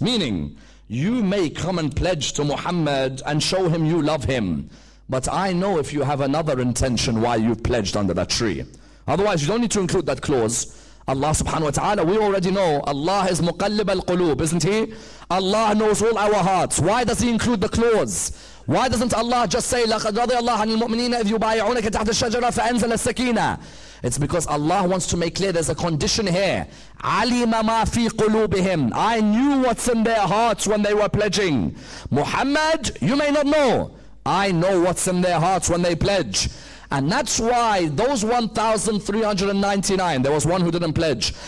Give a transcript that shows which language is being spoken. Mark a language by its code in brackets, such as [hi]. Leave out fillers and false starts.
[en] Meaning, you may come and pledge to Muhammad and show him you love him, but I know if you have another intention why you've pledged under that tree. Otherwise, you don't need to include that clause. Allah subhanahu wa ta'ala, we already know, Allah is muqallib al-qulub, isn't he? Allah knows all our hearts. Why does he include the clause? Why doesn't Allah just say, [ar] لَقَدْ رَضِيَ اللَّهُ عَنِ الْمُؤْمِنِينَ إِذْ يُبَايِعُونَكَ تَحْتَ الشَّجَرَةِ فَأَنزَلَ السَّكِينَةَ. [en] It's because Allah wants to make clear there's a condition here. [ar] عَلِمَ مَا فِي قُلُوبِهِمْ. [en] I knew what's in their hearts when they were pledging. Muhammad, you may not know. I know what's in their hearts when they pledge. And that's why those 1,399, there was one who didn't pledge.